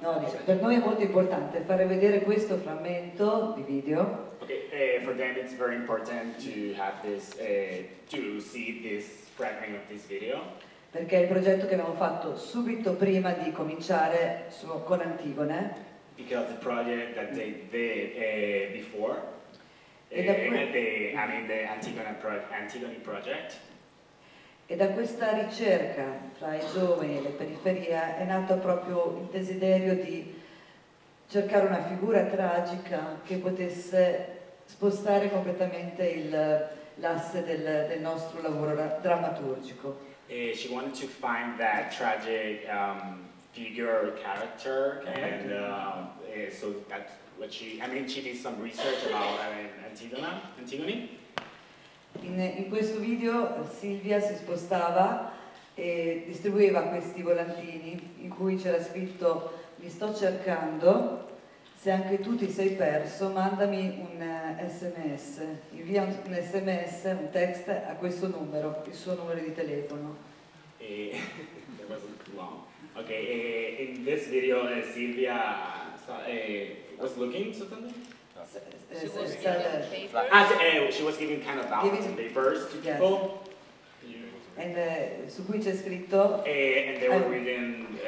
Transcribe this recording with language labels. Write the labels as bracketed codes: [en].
[it] No, dice, per noi è molto importante fare vedere questo frammento di video. [en] Okay, for them it's very important to have this, to see this fragment of this video. [it] Perché è il progetto che abbiamo fatto subito prima di cominciare con Antigone. [en] Because the project that they did before. Antigone project. [it] E da questa ricerca tra i giovani e le periferie è nato proprio il desiderio di cercare una figura tragica che potesse spostare completamente l'asse del nostro lavoro drammaturgico. [en] E she wanted to find that tragic figure or character, and so that what she did some research about Antigone. [it] In questo video Silvia si spostava e distribuiva questi volantini in cui c'era scritto: mi sto cercando, se anche tu ti sei perso, mandami un sms, invia un sms, un text a questo numero, il suo numero di telefono. [en] That wasn't too long. Okay, in this video Silvia was looking something? She was giving kind of ballots and papers to people. Yeah. [it] And su cui c'è scritto. [en] And they were reading.